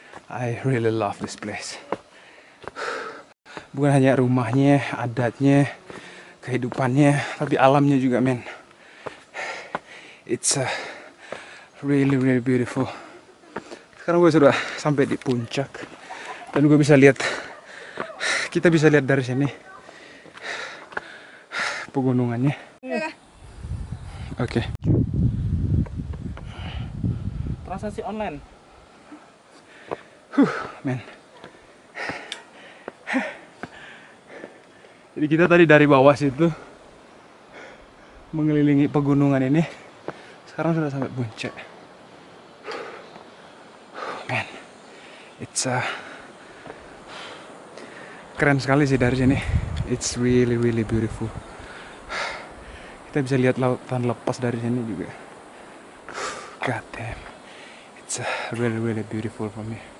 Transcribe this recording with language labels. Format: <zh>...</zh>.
<en>I really love this place.</en> <id>Bukan hanya rumahnya, adatnya, kehidupannya, tapi alamnya juga, men.</id> <en>It's a really really beautiful.</en> <id>Sekarang gue sudah sampai di puncak dan gue bisa lihat, kita bisa lihat dari sini pegunungannya. Oke. Transaksi online. Men. Jadi kita tadi dari bawah situ mengelilingi pegunungan ini. Sekarang sudah sampai puncak.</id> <en>Man, it's</en> <id>keren sekali sih dari sini.</id> <en>It's really really beautiful.</en> <id>Kita bisa lihat lautan lepas dari sini juga.</id> <en>God damn, it's really really beautiful for me.</en>